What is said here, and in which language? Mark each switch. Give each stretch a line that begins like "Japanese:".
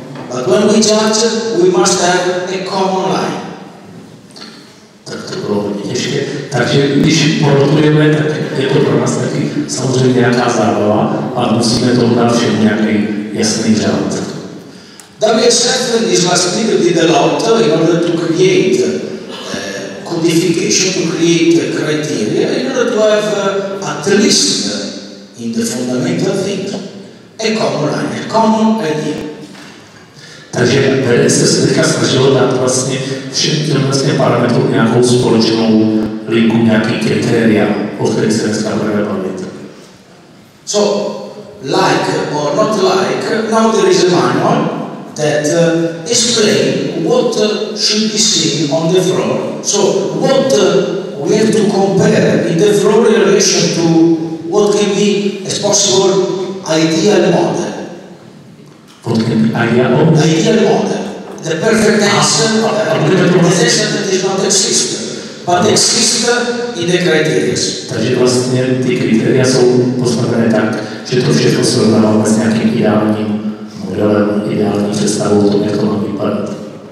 English: But when we judge, we must have a common line.
Czech: Tak to bylo hodně těžké. Takže když porotujeme, tak je to pro nás taky samozřejmě nějaká zábava a musíme to dát všem nějaký jasný řád.
English: WSF this last year did a lot in order to create codification, to create criteria, in order to have at least in the fundamental things a common line, a common idea.
Czech: Takže se teďka snažilo dát vlastně všem těm vlastně parametrům nějakou společnou linku, nějaký kritéria, o kterých se dneska budeme bavit.
English: So, like or not like, now there is a manual that explain what should be seen on the floor. So what we have to compare in the floor in relation to what can be a possible ideal model. What can be ideal model? Ideal model. The perfect answer, the answer that does not exist, but exists in the criteria.
Czech: Takže vlastně ty kriteria jsou postavené tak, že to všechno se rovnává s nějakým ideálním modelem, ideální představou o tom, jak to má vypadat.